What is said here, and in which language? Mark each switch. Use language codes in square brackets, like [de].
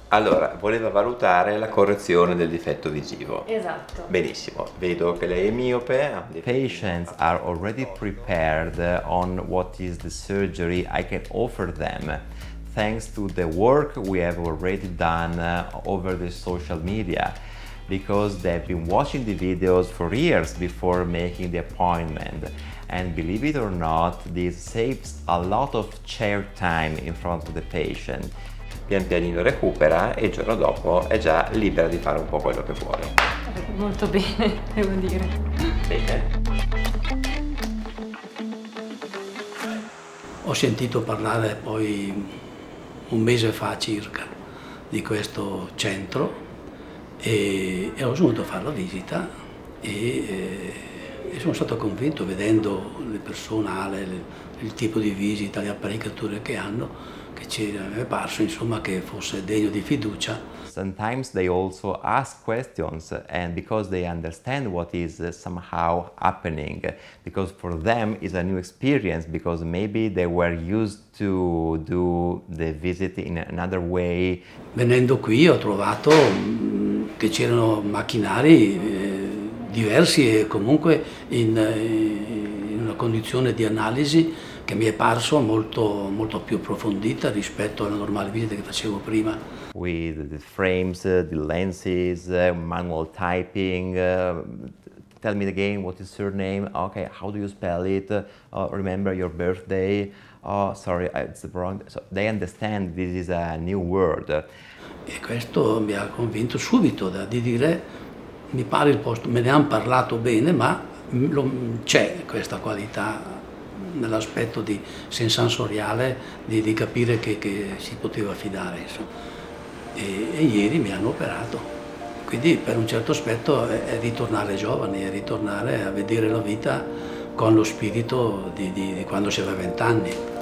[it] Allora, voleva valutare la correzione del difetto visivo. Esatto. Benissimo. Vedo che lei è miope. [en] Patients are already prepared on what is the surgery I can offer them, thanks to the work we have already done over the social media, because they've been watching the videos for years before making the appointment. And believe it or not, this saves a lot of chair time in front of the patient. [it] Pian pianino recupera e il giorno dopo è già libera di fare un po' quello che vuole. Molto bene, devo dire. Bene. Ho sentito parlare poi un mese fa circa di questo centro e ho dovuto fare la visita e sono stato convinto, vedendo le persone, il tipo di visita, le apparecchiature che hanno, che ci è parso, insomma, che fosse degno di fiducia. [en] Sometimes they also ask questions, and because they understand what is somehow happening, because for them is a new experience, because maybe they were used to do the visit in another way. [it] Venendo qui ho trovato che c'erano macchinari diversi e comunque in una condizione di analisi che mi è parso molto, molto più approfondita rispetto alla normale visita che facevo prima. [en] With the frames, the lenses, manual typing, tell me again what is your name, okay, how do you spell it, remember your birthday, oh sorry, it's the wrong, so they understand this is a new world. [it] E questo mi ha convinto subito di dire, mi pare il posto, me ne hanno parlato bene, ma c'è questa qualità nell'aspetto di sensoriale, di capire che si poteva fidare, insomma. E ieri mi hanno operato, quindi per un certo aspetto è ritornare giovani, è ritornare a vedere la vita con lo spirito di quando si aveva 20 anni.